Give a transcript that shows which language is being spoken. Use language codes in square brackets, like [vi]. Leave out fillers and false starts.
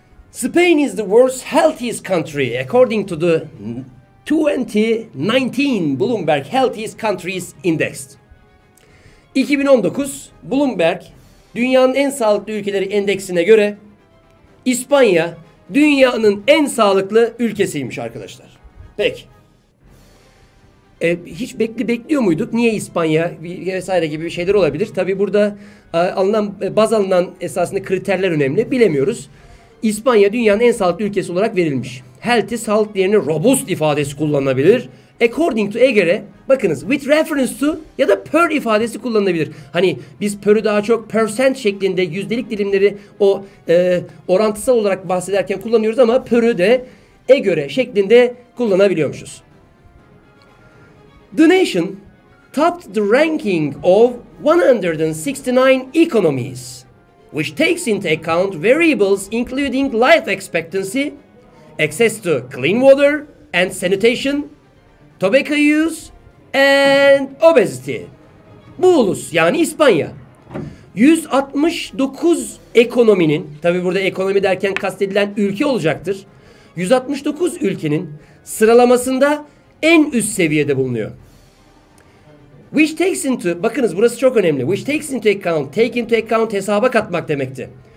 [en] Spain is the world's healthiest country according to the 2019 Bloomberg Healthiest Countries Index. [tr] 2019 Bloomberg dünyanın en sağlıklı ülkeleri endeksine göre İspanya dünyanın en sağlıklı ülkesiymiş arkadaşlar. Peki. Hiç bekliyor muyduk? Niye İspanya vesaire gibi bir şeyler olabilir? Tabii burada alınan esasında kriterler önemli. Bilemiyoruz. İspanya dünyanın en sağlıklı ülkesi olarak verilmiş. Healthy, sağlık yerine robust ifadesi kullanılabilir. [en] According to [tr] EGR'e, bakınız, [en] with reference to [tr] ya da per ifadesi kullanılabilir. Hani biz per'ü daha çok percent şeklinde yüzdelik dilimleri o orantısal olarak bahsederken kullanıyoruz ama per'ü de EGR'e şeklinde kullanabiliyormuşuz. [en] The nation topped the ranking of 169 economies, which takes into account variables including life expectancy, access to clean water and sanitation, tobacco use and obesity. [tr] Bu ulus yani İspanya 169 ekonominin, tabii burada ekonomi derken kastedilen ülke olacaktır. 169 ülkenin sıralamasında en üst seviyede bulunuyor. [en] Which takes into, [tr] bakınız burası çok önemli. [en] Which takes into account, take into account [tr] hesaba katmak demekti.